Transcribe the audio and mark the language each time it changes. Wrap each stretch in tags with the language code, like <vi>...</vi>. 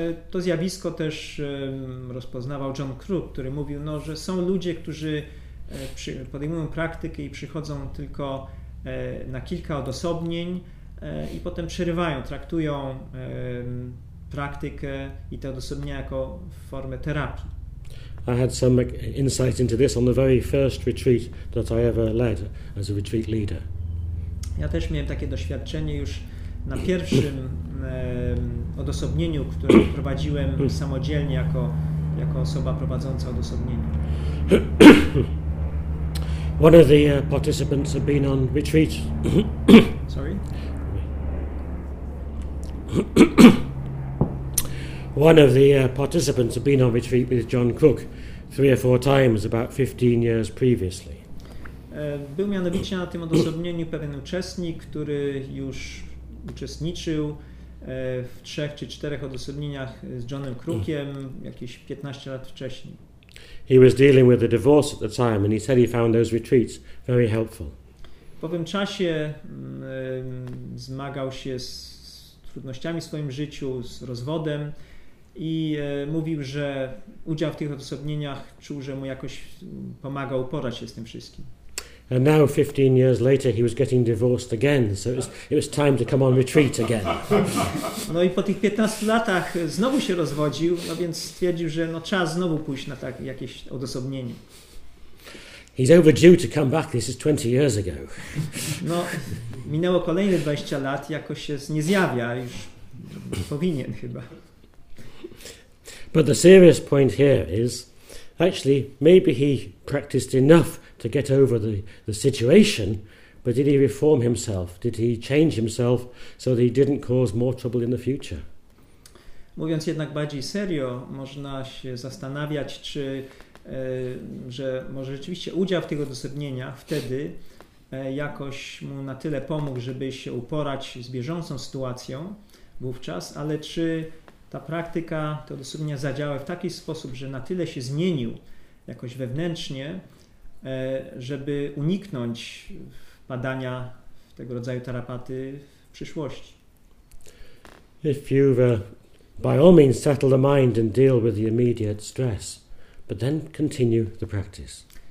<pl>To zjawisko też rozpoznawał John Cook, który mówił, no, że są ludzie, którzy podejmują praktykę i przychodzą tylko na kilka odosobnień i potem przerywają, traktują praktykę i te odosobnienia jako formę terapii.</pl> <en>I had some insight into this on the very first retreat that I ever led as a retreat leader.</en> <pl>Ja też miałem takie doświadczenie już na pierwszym odosobnieniu, które prowadziłem samodzielnie jako osoba prowadząca odosobnienie.</pl> <en>One of the participants had been on retreat. Sorry. One of the participants had been on retreat with John Cook 3 or 4 times about 15 years previously.</en> <pl>Był mianowicie na tym odosobnieniu pewien uczestnik, który już uczestniczył w 3 czy 4 odosobnieniach z Johnem Crookiem jakieś 15 lat wcześniej.</pl> <en>He was dealing with a divorce at the time and he said he found those retreats very helpful.</en> <pl>W owym czasie zmagał się z trudnościami w swoim życiu, z rozwodem. I mówił, że udział w tych odosobnieniach czuł, że mu jakoś pomaga uporać się z tym wszystkim.</pl> <en>And now 15 years later he was getting divorced again, so it was time to come on retreat again.</en> <pl>No i po tych 15 latach znowu się rozwodził, no więc stwierdził, że no czas znowu pójść na tak jakieś odosobnienie.</pl> <en>He's overdue to come back, this is 20 years ago.</en> <pl>No, minęło kolejne 20 lat, jakoś się nie zjawia, już powinien chyba.</pl> <en>But the serious point here is, actually, maybe he practiced enough to get over the situation, but did he reform himself? Did he change himself so that he didn't cause more trouble in the future?</en> <pl>Mówiąc jednak bardziej serio, można się zastanawiać, czy że może rzeczywiście udział w tych odosobnieniach wtedy jakoś mu na tyle pomógł, żeby się uporać z bieżącą sytuacją wówczas, ale czy ta praktyka, te odosobnienia zadziałały w taki sposób, że na tyle się zmienił jakoś wewnętrznie, żeby uniknąć wpadania w tego rodzaju tarapaty w przyszłości.</pl> <en>If you've by all means settle the mind and deal with the immediate stress, but then continue the practice.</en>